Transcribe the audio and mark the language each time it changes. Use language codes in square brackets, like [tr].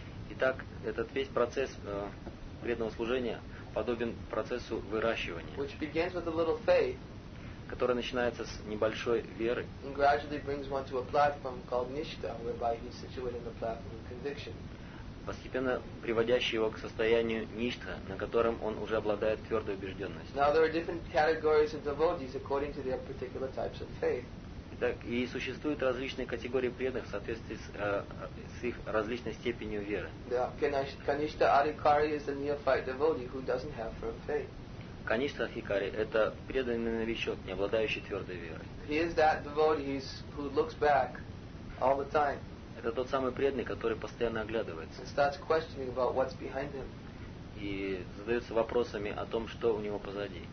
[ru] Итак, этот весь процесс преданного служения подобен процессу выращивания. [en] Which begins with a little faith, [ru] который начинается с небольшой веры. [en] And gradually brings one to a platform called nishtha, whereby he's situated in the platform of conviction. [ru] Постепенно приводящий его к состоянию ништха, на котором он уже обладает твердой убежденностью. [en] Now there are different categories of devotees according to their particular types of faith. [ru] Так, и существуют различные категории преданных в соответствии с их различной степенью веры. [en] Kanishtha Adhikari is a neophyte devotee who doesn't have firm faith. [ru] Kanishtha Adhikari – это преданный новичок, не обладающий твердой верой. [en] He is that devotee who looks back all the time. [ru] Это тот самый преданный, который постоянно оглядывается. [en] And starts questioning about what's behind him. [ru] И задается вопросами о том, что у него позади.